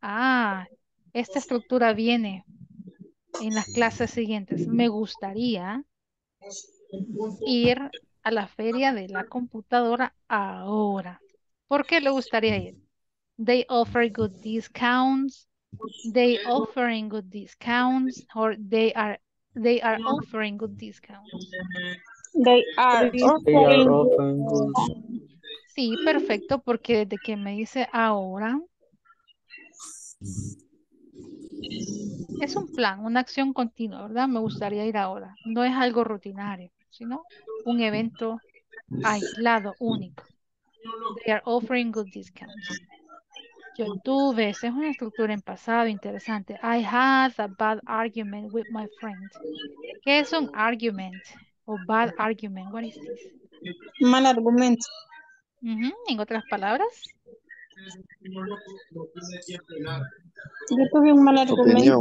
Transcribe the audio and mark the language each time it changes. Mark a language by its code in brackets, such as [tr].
[es] Ah, esta estructura viene en las clases siguientes. Me gustaría ir a la feria de la computadora ahora. ¿Por qué le gustaría ir? [en] They offer good discounts. They offering good discounts, or they are offering good discounts. They are offering good. [es] Sí, perfecto, porque desde que me dice ahora, es un plan, una acción continua, ¿verdad? Me gustaría ir ahora. No es algo rutinario, sino un evento aislado, único. [en] They are offering good discounts. [es] Yo tuve, esa es una estructura en pasado interesante. [en] I had a bad argument with my friend. [es] ¿Qué es un [en] argument? O bad argument, what is this? [es] Mal argumento. ¿En otras palabras? Yo tuve un mal argumento.